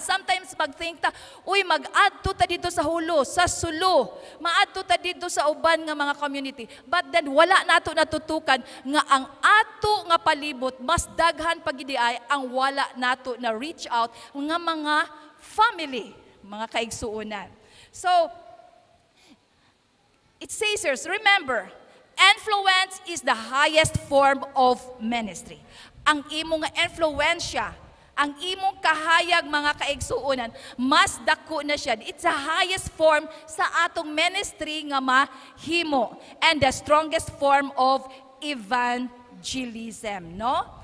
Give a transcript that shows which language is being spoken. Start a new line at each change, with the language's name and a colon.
Cebuano: Sometimes mag-think ta, uy, mag-add to ta dito sa hulo, sa sulo. Ma-add to ta dito sa uban ng mga community. But then, wala na ito natutukan nga ang ato nga palibot, mas daghan pag-idiay ang wala na ito na reach out ng mga family, mga kaigsuunan.
English: So, it says here, remember, influence is the highest form of ministry.
Cebuano: Ang imong influensya, ang imong kahayag, mga kaigsuunan, mas dako na siya.
English: It's the highest form sa atong ministry nga mahimo, and the strongest form of evangelism, no?